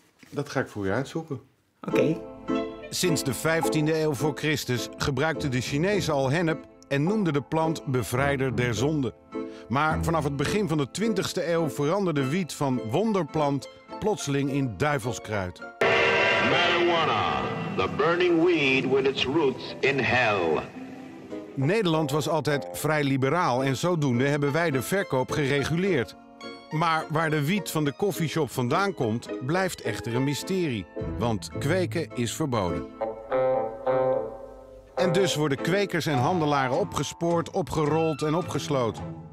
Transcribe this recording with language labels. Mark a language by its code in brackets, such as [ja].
[nl] Dat ga ik voor je uitzoeken. Oké. Sinds de 15e eeuw voor Christus gebruikten de Chinezen al hennep en noemden de plant bevrijder der zonde. Maar vanaf het begin van de 20e eeuw veranderde wiet van wonderplant plotseling in duivelskruid. [en] Marijuana, the burning weed with its roots in hell. [nl] Nederland was altijd vrij liberaal en zodoende hebben wij de verkoop gereguleerd. Maar waar de wiet van de koffieshop vandaan komt, blijft echter een mysterie. Want kweken is verboden. En dus worden kwekers en handelaren opgespoord, opgerold en opgesloten.